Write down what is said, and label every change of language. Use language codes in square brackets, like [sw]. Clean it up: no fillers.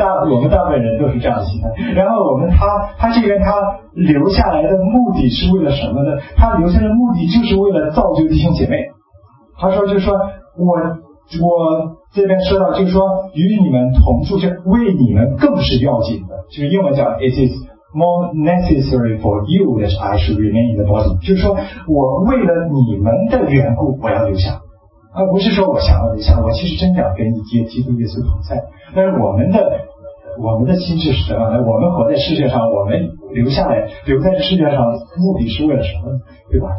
[zh] 我们大部分人都是这样的心态。然后他这边他留下来的目的是为了什么呢？他留下来的目的就是为了造就弟兄姐妹。他说，就是说我这边说到，就是说与你们同住，这为你们更是要紧的。 [en] 就是英文讲，It is more necessary for you that I should remain in the body。 [zh] 就是说我为了你们的缘故，我要留下。而不是说我想要留下，我其实真想跟你接基督耶稣同在。但是我们的心智是什么呢？我们活在世界上，我们留下来留在这世界上目的是为了什么呢？对吧？